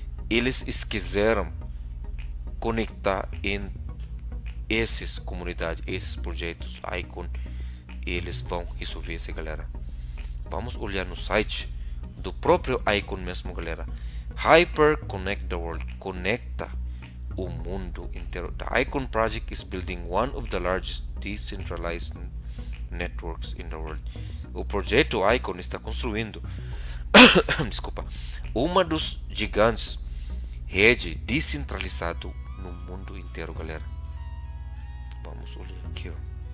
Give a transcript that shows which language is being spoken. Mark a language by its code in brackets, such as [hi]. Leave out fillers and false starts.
[pt] Eles quiseram conectar em essas comunidades, esses projetos Icon. Eles vão resolver isso, galera. Vamos olhar no site do próprio Icon mesmo, galera. [en] Hyper Connect the World. [pt] Conecta o mundo inteiro. [en] The Icon Project is building one of the largest decentralized networks in the world. [pt] O projeto Icon está construindo desculpa, uma dos gigantes rede descentralizado no mundo inteiro, galera. Vamos olhar aqui, ó.